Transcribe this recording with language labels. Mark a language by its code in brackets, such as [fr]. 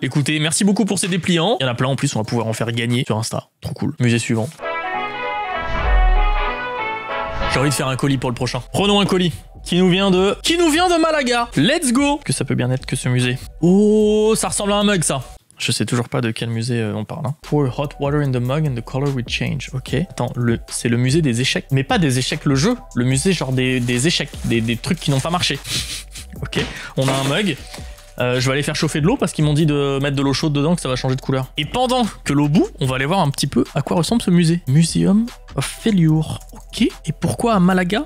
[fr] Écoutez, merci beaucoup pour ces dépliants. Il y en a plein en plus, on va pouvoir en faire gagner sur Insta. Trop cool. Musée suivant. J'ai envie de faire un colis pour le prochain. Prenons un colis. Qui nous vient de Malaga. Let's go. Que ça peut bien être que ce musée. Oh, ça ressemble à un mug, ça. Je sais toujours pas de quel musée on parle. Hein. [en] Pour hot water in the mug and the color will change. [fr] Ok. Attends, c'est le musée des échecs. Mais pas des échecs, le jeu. Le musée genre des échecs. Des trucs qui n'ont pas marché. Ok. On a un mug. Je vais aller faire chauffer de l'eau parce qu'ils m'ont dit de mettre de l'eau chaude dedans, que ça va changer de couleur. Et pendant que l'eau bout, on va aller voir un petit peu à quoi ressemble ce musée. Museum of Failure. Ok. Et pourquoi à Malaga?